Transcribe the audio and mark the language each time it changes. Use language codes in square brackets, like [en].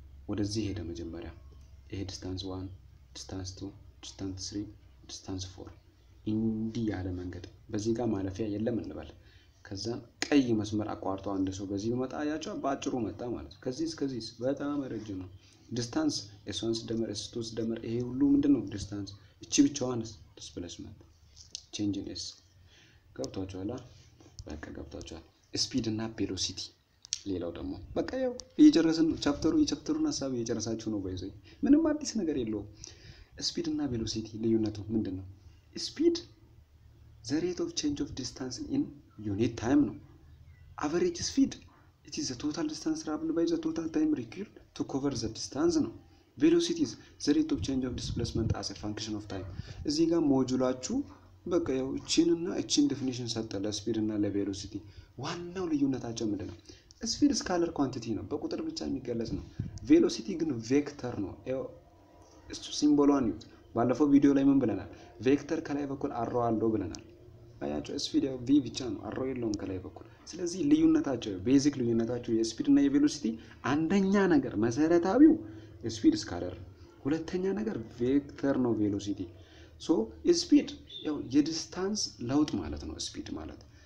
[am] ወደዚህ ሄደ መጀመሪያ ይሄ distance 1 distance 2 distance 3 distance 4 እንዲ ያለ መንገድ በዚህ ጋር ማለፊያ የለም እንበል ከዛ ቀይ መስመር አቋርጦ አንድ ሰው በዚህ ይመጣ ያጫ ባጭሩ መጣ ማለት ነው። ከዚህ እስከዚህ በጣም ረጅም ነው distance s1 ደመር s2 ደመር ይሄ ሁሉ ምንድነው distance እቺ ብቻዋን displacement change in s ገብቷችኋል? በቃ ገብቷችኋል። speed እና velocity ሌላው ደግሞ በቃ ያው እየጨረስን ነው ቻፕተሩን ሐሳብ እየጨረሳችሁ ነው ባይዘይ ምንም አዲስ ነገር የለውም። speed እና velocity ልዩነቱ ምንድነው? [en] speed the rate of change of distance in unit time ነው። average speed it is the total distance traveled by the total time required to cover the distance ነው። velocity is the rate of change of displacement as a function of time [am] እዚህ ጋር ሞጁላችሁ በቃ ያው እቺንና እቺን ዲፊኒሽን ሰጠ ለስፒድና ለቬሎሲቲ። ዋናው ልዩነታቸው ምንድነው? ስፒድ ስካለር ኳንቲቲ ነው፣ በቁጥር ብቻ የሚገለጽ ነው። ቬሎሲቲ ግን ቬክተር ነው። ያው እሱ ሲምቦሉን ባለፈው ቪዲዮ ላይ ምን ብለናል? ቬክተር ከላይ በኩል አሮ አለው ብለናል። አያችሁ ስፒድ ያው ቪ ብቻ ነው፣ አሮ የለውም ከላይ በኩል። ስለዚህ ልዩነታቸው ቤዚክ ልዩነታቸው የስፒድና የቬሎሲቲ አንደኛ ነገር መሰረታዊው ስፒድ ስካለር፣ ሁለተኛ ነገር ቬክተር ነው ቬሎሲቲ። ሶ ስፒድ ያው የዲስታንስ ለውጥ ማለት ነው ስፒድ ማለት።